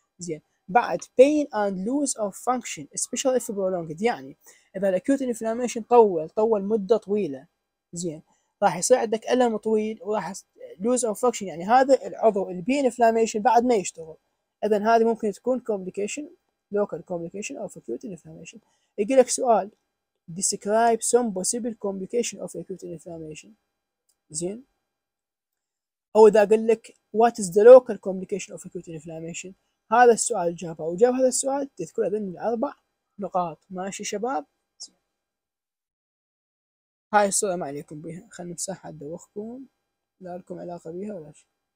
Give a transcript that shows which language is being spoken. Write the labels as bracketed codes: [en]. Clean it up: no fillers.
[ar] زين بعد [en] pain and loss of function especially if prolonged، [ar] يعني اذا الاكيوت انفلاميشن طول مده طويله، زين راح يصير عندك الم طويل وراح [en] lose of function، [ar] يعني هذا العضو البي انفلاميشن بعد ما يشتغل، اذا هذه ممكن تكون [en] complication local complication of acute inflammation. [ar] يقول لك سؤال [en] describe some possible complication of acute inflammation. [ar] زين او اذا قال لك [en] what is the local complication of acute inflammation، [ar] هذا السؤال جابه وجاب هذا السؤال، تذكر هذين الاربع نقاط. ماشي شباب، هاي الصورة ما عليكم بيها، خلنا نمسحها ادوخكم، لا لكم علاقة بيها ولا شيء.